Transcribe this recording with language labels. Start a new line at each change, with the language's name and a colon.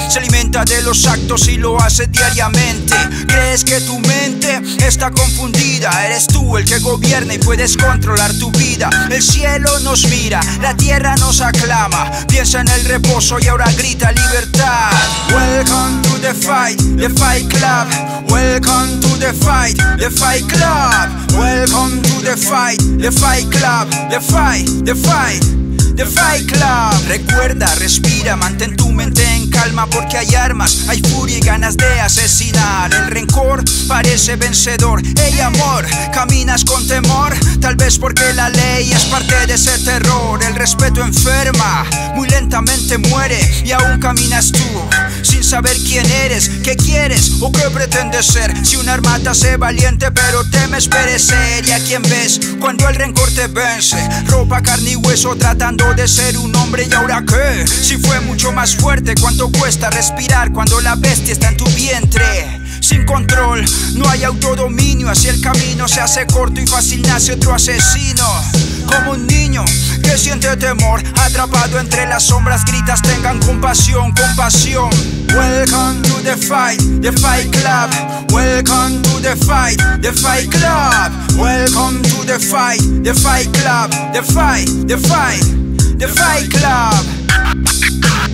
Spanish: Se alimenta de los actos y lo hace diariamente. ¿Crees que tu mente está confundida? Eres tú el que gobierna y puedes controlar tu vida. El cielo nos mira, la tierra nos aclama. Piensa en el reposo y ahora grita libertad.
English: Welcome to the fight club. Welcome to the fight club. Welcome to the fight club. The fight, the fight club.
Spanish: Recuerda, respira, mantén tu mente en calma. Porque hay armas, hay furia y ganas de asesinar. El rencor parece vencedor. Hey amor, caminas con temor. Tal vez porque la ley es parte de ese terror. El respeto enferma, muy lentamente muere. Y aún caminas tú, sin saber quién eres, qué quieres o qué pretendes ser. Si un arma te hace valiente pero temes perecer. Y a quien ves cuando el rencor te vence. Ropa, carne y hueso tratando de ser un hombre. ¿Y ahora qué? Si fue mucho más fuerte. ¿Cuánto cuesta respirar cuando la bestia está en tu vientre? Sin control, no hay autodominio. Así el camino se hace corto y fácil nace otro asesino. Como un niño que siente temor, atrapado entre las sombras, gritas tengan compasión, compasión.
English: Welcome to the fight club. Welcome to the fight club. Welcome to the fight club. The fight, the fight club.